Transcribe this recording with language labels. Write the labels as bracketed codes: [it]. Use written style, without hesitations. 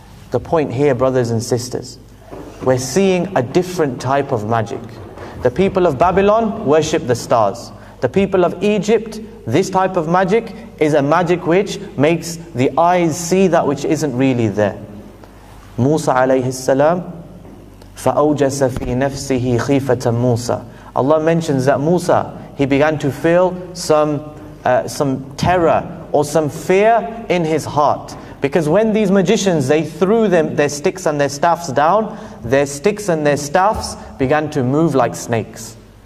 [en] The point here, brothers and sisters, we're seeing a different type of magic. The people of Babylon worship the stars. The people of Egypt, this type of magic is a magic which makes the eyes see that which isn't really there. [ar] Musa alayhi salam, فَأَوْجَسَ فِي نَفْسِهِ خِيفَةً مُوسَى. [en] Allah mentions that Musa, he began to feel some terror or some fear in his heart. Because when these magicians, they threw their sticks and their staffs down, their sticks and their staffs began to move like snakes.